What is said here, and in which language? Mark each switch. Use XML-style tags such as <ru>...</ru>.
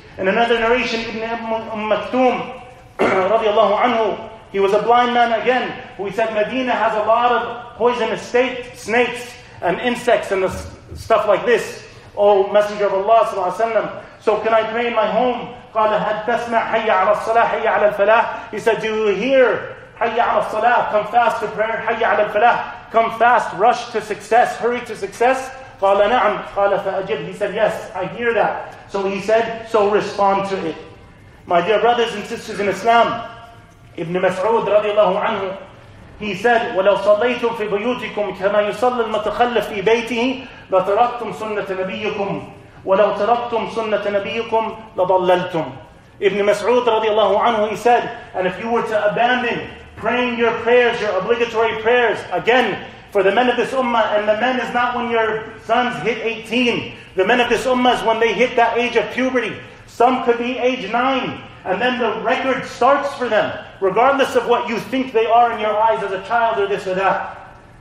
<en>In another narration, Ibn Maktum, radiallahu anhu, he was a blind man again. We said Medina has a lot of poisonous snakes and insects and stuff like this. Oh, Messenger of Allah صلى الله عليه وسلم, so can I pray in my home?</en> <ar>قال هل تسمع حي على الصلاة حي على الفلاح.</ar> <en>He said, do you hear</en> <ar>حي على الصلاة,</ar> <en>come fast to prayer,</en> <ar>حي على الفلاح,</ar> <en>come fast, rush to success, hurry to success.</en> <ar>قال نعم. قال فأجب.</ar> <en>He said, yes, I hear that. So he said, so respond to it. My dear brothers and sisters in Islam, Ibn Mas'ud radiallahu anhu, he said,</en> <ar>وَلَوْ صَلَّيْتُمْ فِي بُيُوتِكُمْ كَمَا يُصَلِّ الْمَتَخَلَّ فِي بَيْتِهِ لَتَرَكْتُمْ سُنَّةَ نَبِيِّكُمْ وَلَوْ تَرَكْتُمْ سُنَّةَ نَبِيِّكُمْ لَضَلَّلْتُمْ.</ar> <en>Ibn Mas'ud radiallahu anhu, he said, and if you were to abandon praying your prayers, your obligatory prayers, again, for the men of this ummah, and the men is not when your sons hit 18, the men of this ummah is when they hit that age of puberty. Some could be age 9, and then the record starts for them, regardless of what you think they are in your eyes as a child or this or that.</en>